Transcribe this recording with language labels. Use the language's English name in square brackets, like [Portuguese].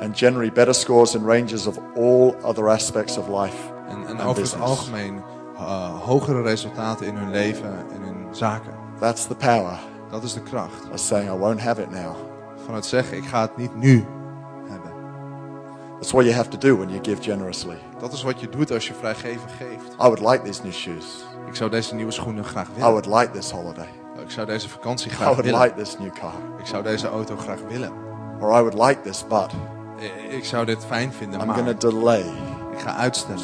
[English] And generally better scores in ranges of all other aspects of life. [Dutch] En over [English] business. [Dutch] Het algemeen hogere resultaten in hun leven en in zaken. [English] That's the power. [Dutch] Dat is de kracht. [English] Of saying I won't have it now. [Dutch] Van het zeggen ik ga het niet nu hebben. [English] That's what you have to do when you give generously. [Dutch] Dat is wat je doet als je vrijgevig geeft. [English] I would like these new shoes. [Dutch] Ik zou deze nieuwe schoenen graag willen. [English] I would like this holiday. [Dutch] Ik zou deze vakantie graag willen. [English] I would like this new car. [Dutch] Ik zou deze auto graag willen. [English] Or I would like this, but [Dutch] ik zou dit fijn vinden, [English] I'm gonna delay. [Dutch] Ik ga uitstellen.